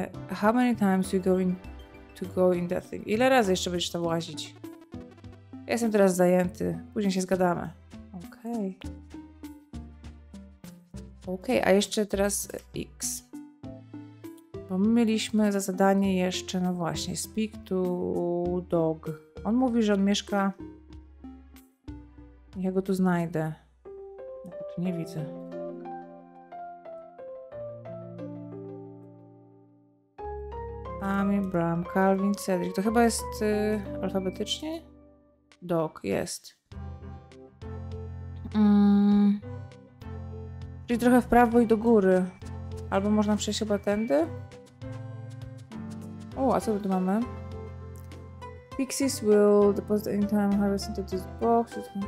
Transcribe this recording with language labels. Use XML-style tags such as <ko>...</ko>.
<en>How many times you going to go in that thing?</en> <pl>Ile razy jeszcze będziesz tam łazić? Ja jestem teraz zajęty. Później się zgadamy. Okej, a jeszcze teraz X. Bo my mieliśmy za zadanie jeszcze, no właśnie,</pl> <en>speak to dog.</en> <pl>On mówi, że on mieszka... Ja go tu znajdę. Ja go tu nie widzę. Ami, Bram, Calvin, Cedric. To chyba jest alfabetycznie? Dog, jest. Czyli trochę w prawo i do góry. Albo można przejść chyba tędy? O, a co tu mamy?</pl> <en>Pixies will deposit anytime harvest into this box.</en>